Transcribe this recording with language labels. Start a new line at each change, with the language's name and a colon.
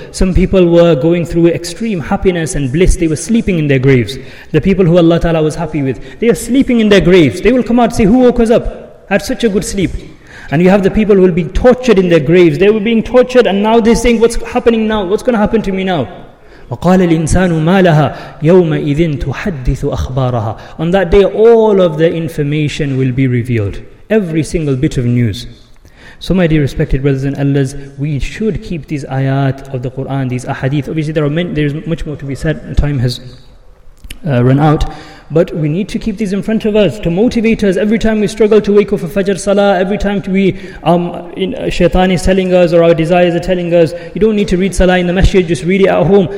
English: Some people were going through extreme happiness and bliss. They were sleeping in their graves. The people who Allah Ta'ala was happy with, they are sleeping in their graves. They will come out and say, who woke us up? Had such a good sleep. And you have the people who will be tortured in their graves. They were being tortured and now they're saying, what's happening now? What's going to happen to me now?
Arabic: وقال الإنسان ما لها يومئذ تحدث أخبارها.
English: On that day, all of the information will be revealed. Every single bit of news. So my dear respected brothers and elders, we should keep these ayat of the Quran, these ahadith. Obviously there is much more to be said, time has run out. But we need to keep these in front of us to motivate us every time we struggle to wake up for Fajr Salah, every time we shaitan is telling us or our desires are telling us, you don't need to read Salah in the masjid, just read it at home.